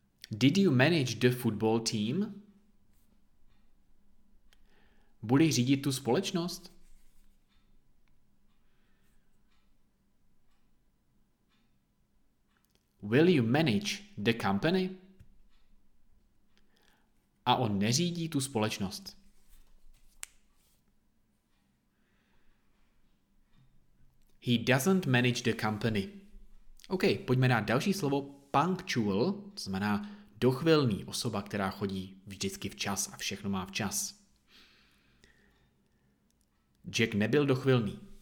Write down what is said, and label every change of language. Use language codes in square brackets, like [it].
[en] Did you manage the football team? [cs] Budeš řídit tu společnost? [en] Will you manage the company? [cs] A on neřídí tu společnost. [en] He doesn't manage the company. [cs] OK, pojďme na další slovo. Punctual, to znamená dochvilný, osoba, která chodí vždycky včas a všechno má včas. Jack nebyl dochvilný.